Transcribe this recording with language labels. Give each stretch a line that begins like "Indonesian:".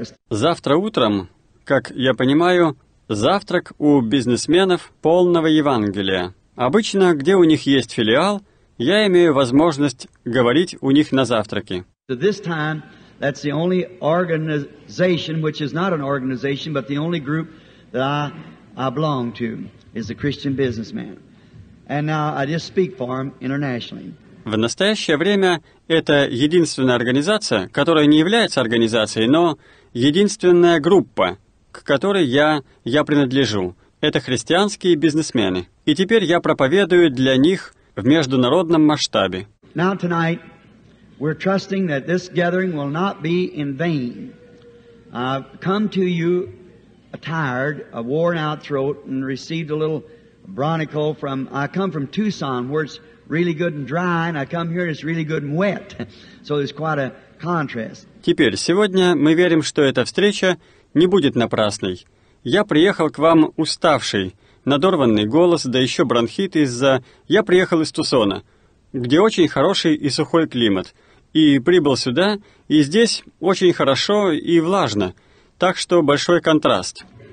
Russian: Завтра утром, как я понимаю, завтрак у бизнесменов полного Евангелия. Обычно, где у них есть филиал, я имею возможность говорить у них на завтраке.
English: That's the only organization, which is not an organization, but the only group that I belong to, is the Christian Businessman. And now I just speak for them internationally.
Russian: В настоящее время это единственная организация, которая не является организацией, но единственная группа, к которой я принадлежу. Это христианские бизнесмены. И теперь я проповедую для них в международном масштабе.
English: Now tonight, we're trusting that this gathering will not be in vain. I've come to you a tired, a worn-out throat, and received a little bronchial from. I come from Tucson, where it's really good and dry, and I come here, and it's really good and wet. So there's quite a contrast.
Russian: Теперь сегодня мы верим, что эта встреча не будет напрасной. Я приехал к вам уставший, надорванный голос, да еще бронхит из-за. Я приехал из Тусона, где очень хороший и сухой климат. И прибыл сюда, и здесь очень хорошо и влажно, так что большой контраст.